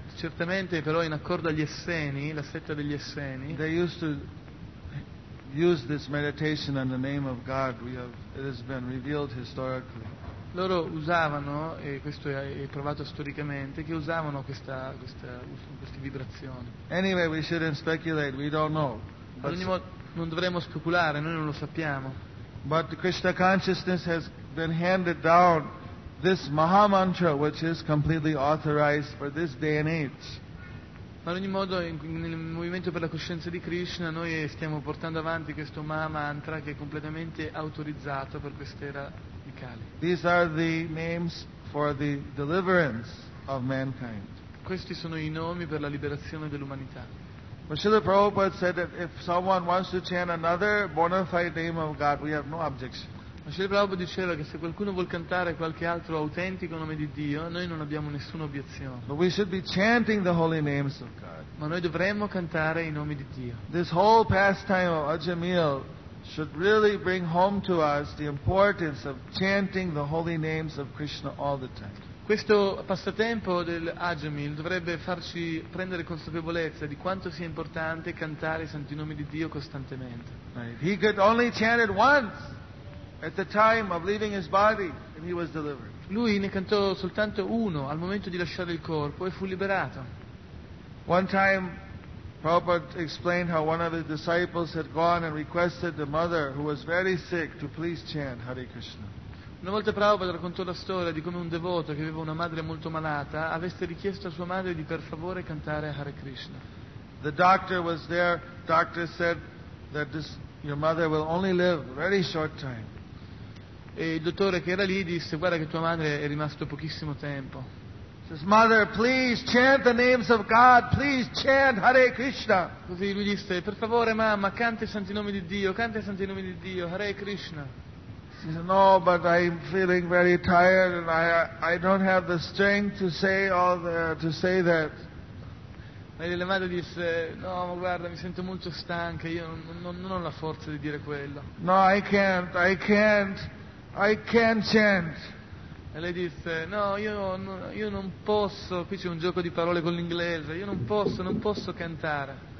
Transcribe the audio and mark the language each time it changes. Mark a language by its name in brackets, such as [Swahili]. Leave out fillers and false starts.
[Italian] certamente però in accordo agli Esseni, la setta degli Esseni, [English] they used to use this meditation on the name of God. It has been revealed historically. [Italian] Loro usavano, e questo è provato storicamente, che usavano queste vibrazioni. [English] Anyway, we shouldn't speculate, we don't know. [Italian] Ad ogni modo, non dovremmo speculare, noi non lo sappiamo. [English] But Krishna consciousness has been handed down this Maha Mantra, which is completely authorized for this day and age. [Italian] Ma ad ogni modo, nel movimento per la coscienza di Krishna, noi stiamo portando avanti questo Maha Mantra che è completamente autorizzato per quest'era di Kali. [English] These are the names for the deliverance of mankind. [Italian] Questi sono i nomi per la liberazione dell'umanità. [English] But Srila Prabhupada said that if someone wants to chant another bona fide name of God, we have no objection. [Italian] Ma Srila Prabhupada diceva che se qualcuno vuol cantare qualche altro autentico nome di Dio, noi non abbiamo nessuna obiezione. [English] But we should be chanting the holy names of God. [Italian] Ma noi dovremmo cantare i nomi di Dio. [English] This whole pastime of Ajamil should really bring home to us the importance of chanting the holy names of Krishna all the time. [Italian] Questo passatempo del Ajamil dovrebbe farci prendere consapevolezza di quanto sia importante cantare i santi nomi di Dio costantemente. [English] Right. He could only chant it once at the time of leaving his body and he was delivered. [Italian] Lui ne cantò soltanto uno al momento di lasciare il corpo e fu liberato. [English] One time Prabhupada explained how one of his disciples had gone and requested the mother who was very sick to please chant Hare Krishna. [Italian] Una volta Prabhupada raccontò la storia di come un devoto che aveva una madre molto malata avesse richiesto a sua madre di per favore cantare Hare Krishna. [English] The doctor was there. Doctor said that your mother will only live a very short time. [Italian] E il dottore che era lì disse: guarda che tua madre è rimasto pochissimo tempo. [English] Says, mother, please chant the names of God. Please chant Hare Krishna. [Italian] Così lui disse: per favore mamma, canta i santi nomi di Dio, canta i santi nomi di Dio, Hare Krishna. [English] She said, no, but I'm feeling very tired and I don't have the strength to say that. [Italian] Ma la madre disse: no, ma guarda, mi sento molto stanca, io non ho la forza di dire quello. [English] No, I can't chant. [Italian] E lei disse: no, io non posso. Qui c'è un gioco di parole con l'inglese. Io non posso cantare.